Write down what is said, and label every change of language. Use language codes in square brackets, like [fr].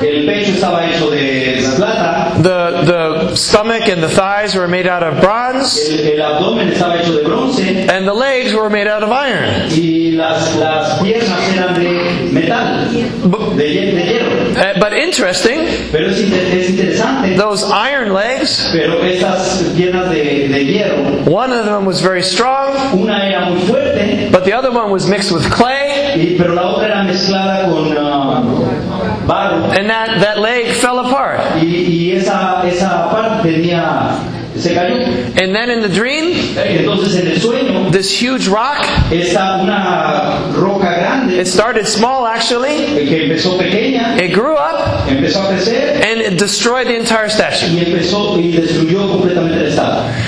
[es] El pecho estaba hecho de plata. [en] The stomach and the thighs were made out of bronze. [es] El abdomen estaba hecho de bronce. [en] And the legs were made out of iron. [es] Y las piernas eran de metal. De hierro. [en] But interesting, [es] pero es interesante, [en] those iron legs, [es] pero esas piernas de hierro, [en] one of them was very strong, [es] una era muy fuerte, [en] but the other one was mixed with clay, [es] y, pero la otra era mezclada con, barro, [en] and that leg fell apart. [es] Y esa parte tenía, se cayó. [en] And then in the dream, [es] entonces, en el sueño, [en] this huge rock, [es] esta una roca grande, [en] it started small actually, [es] que empezó pequeña, [en] it grew up, [es] empezó a crecer, [en] and it destroyed the entire statue. [es] Y empezó, y destruyó completamente la estatua.